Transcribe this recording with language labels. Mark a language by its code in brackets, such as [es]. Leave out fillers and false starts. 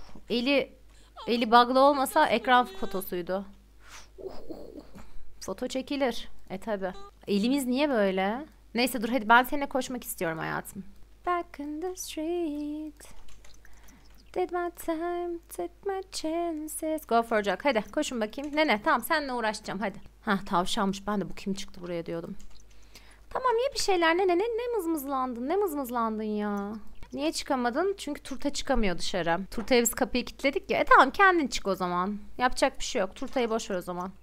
[tr] Eli bug'lı olmasa ekran fotosuydu. Foto çekilir. E tabi. Elimiz niye böyle? Neyse dur hadi ben seninle koşmak istiyorum hayatım. [en] Back in the street. Did my time, took my chances. Go for a jog. [tr] Hadi koşun bakayım. Nene tamam seninle uğraşacağım hadi. Ha tavşanmış. Ben de bu kim çıktı buraya diyordum. Tamam niye bir şeyler nene ne mızmızlandın ya. Niye çıkamadın? Çünkü turta çıkamıyor dışarı. Turtaya biz kapıyı kilitledik ya. E tamam kendin çık o zaman. Yapacak bir şey yok. Turtayı boş ver o zaman.